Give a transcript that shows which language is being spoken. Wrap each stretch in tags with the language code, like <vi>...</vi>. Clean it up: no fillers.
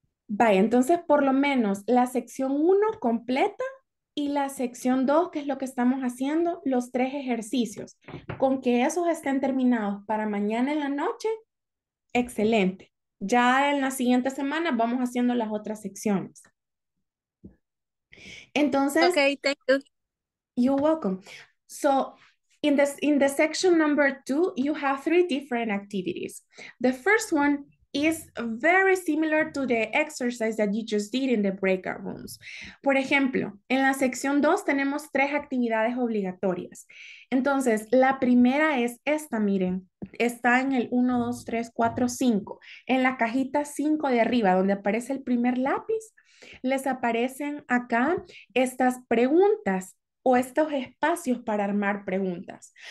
<es>Vaya, entonces por lo menos la sección 1 completa y la sección 2, que es lo que estamos haciendo, los tres ejercicios. Con que esos estén terminados para mañana en la noche, excelente. Ya en la siguiente semana vamos haciendo las otras secciones. Entonces,</es> <en>Okay, thank you. you're welcome. So, in the section number 2, you have three different activities. The first one is very similar to the exercise that you just did in the breakout rooms.</en> <es>Por ejemplo, en la sección 2 tenemos tres actividades obligatorias. Entonces, la primera es esta, miren, está en el 1, 2, 3, 4, 5. En la cajita 5 de arriba, donde aparece el primer lápiz, les aparecen acá estas preguntas o estos espacios para armar preguntas.</es>